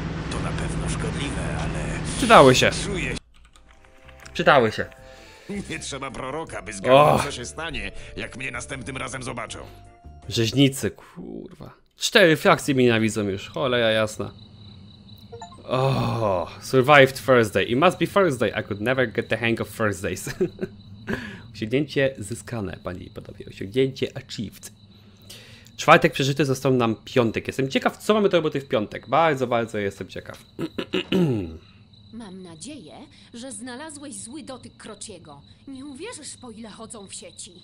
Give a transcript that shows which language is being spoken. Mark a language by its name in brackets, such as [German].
[Polish] To na pewno szkodliwe, ale... Czytały się. Czytały się. Nie trzeba proroka, by zgadnął, co się stanie, jak mnie następnym razem zobaczą. Rzeźnicy, kurwa. Cztery frakcje mi nienawidzą już, cholera jasna. [English] Oh, survived Thursday. It must be Thursday. I could never get the hang of Thursdays. [Polish] Osiągnięcie zyskane, panie i panowie. Osiągnięcie achieved. Czwartek przeżyty, został nam piątek. Jestem ciekaw, co mamy do roboty w piątek. Bardzo, bardzo jestem ciekaw. Mam nadzieję, że znalazłeś zły dotyk Krociego. Nie uwierzysz, po ile chodzą w sieci.